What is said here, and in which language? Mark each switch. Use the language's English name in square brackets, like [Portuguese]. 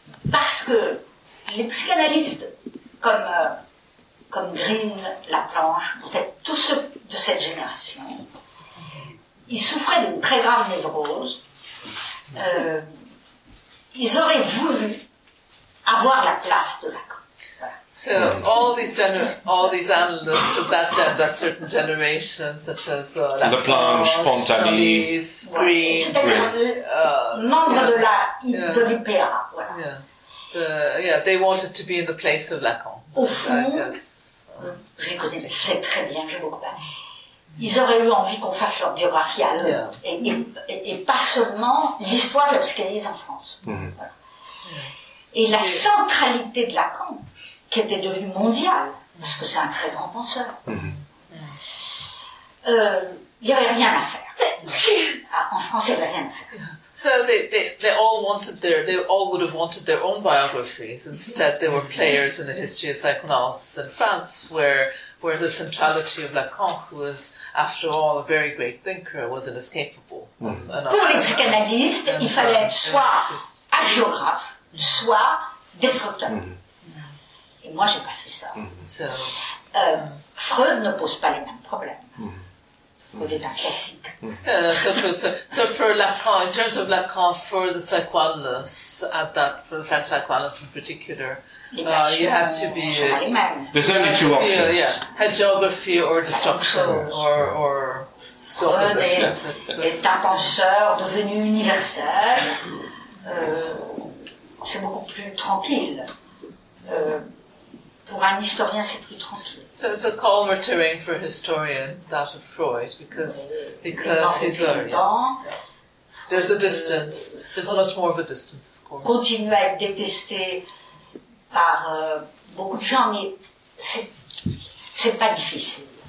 [French] Parce que les psychanalystes comme Green, Laplanche, peut-être tous ceux de cette génération, ils souffraient d'une très grave névrose. Ils auraient voulu avoir la place de la. [English] So all these analysts of that certain generation, such as Laplanche, Pontani, Green, [French] membre de la de l'UPA, voilà. [English] They wanted to be in the place of Lacan. [French] Au fond, je connais très bien, j'ai beaucoup parlé. Ils auraient eu envie qu'on fasse leur biographie à eux, et pas seulement l'histoire de la psychanalyse en France. Et la centralité de Lacan, qui était devenu mondial, parce que c'est un très grand penseur. Il n'y avait rien à faire. En France, il n'y avait rien à faire. [English] So they all would have wanted their own biographies. Instead, they were players in the history of psychoanalysis in France, where the centrality of Lacan, who was, after all, a very great thinker, was inescapable. [French] Pour les psychanalystes, il fallait être soit hagiographe, soit destructeur. Et moi, j'ai pas fait ça. Freud ne pose pas les mêmes problèmes. [English] For Lacan, in terms of Lacan, for the psychoanalysts, for the French psychoanalysts in particular, you had to be. There's only two options. Hagiography or destruction. Or [French] Freud est un penseur devenu universel. C'est beaucoup plus tranquille. Pour un historien, c'est plus tranquille. [English] So it's a calmer terrain for a historian, that of Freud, because he's learning. There's a distance. There's much more of a distance, of course. [French] Continue à être détesté par beaucoup de gens, mais c'est pas difficile.